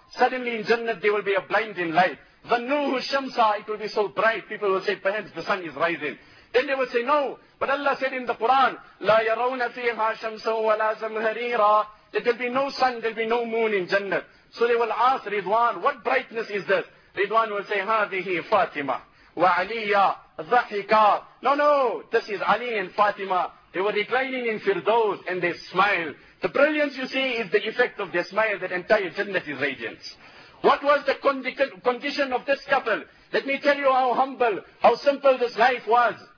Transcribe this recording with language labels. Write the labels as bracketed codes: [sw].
[en] Suddenly in Jannah there will be a blinding light. [ar] ظَنُّهُ الشَّمْسَى. [en] It will be so bright. People will say, perhaps the sun is rising. Then they will say, no. But Allah said in the Quran, [ar] لَا يَرَوْنَ فِيهَا شَمْسًا وَلَا زَمْهَرِيرًا. [en] There will be no sun, there will be no moon in Jannah. So they will ask Ridwan, what brightness is this? Ridwan will say, [ar] هَذِهِ فَاتِمَةً وَعَلِيَّ ضَحِكَ. [en] No, no, this is Ali and Fatima. They were reclining in Firdaus and they smile. The brilliance you see is the effect of their smile, that entire Jannah is radiance. What was the condition of this couple? Let me tell you how humble, how simple this life was.